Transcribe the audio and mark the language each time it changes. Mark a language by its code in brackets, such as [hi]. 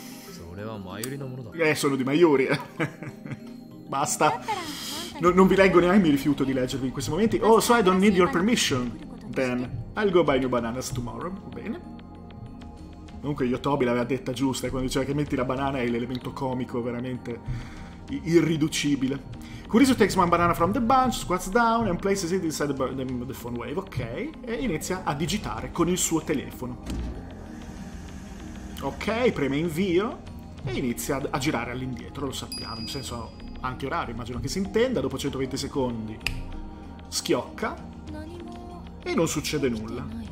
[it] Sono di Mayuri. Basta. Non vi leggo neanche, mi rifiuto di leggervi in questi momenti. [en] Oh, so I don't need your permission. Then I'll go buy new bananas tomorrow. [it] Bene. Comunque Yotobi l'aveva detta giusta quando diceva che metti la banana è l'elemento comico veramente irriducibile. [en] Kurisu takes one banana from the bunch, squats down and places it inside the phone wave. Ok. [it] E inizia a digitare con il suo telefono. Ok, preme invio. e inizia a girare all'indietro, lo sappiamo, in senso anche orario, immagino che si intenda, dopo 120 secondi schiocca e non succede nulla.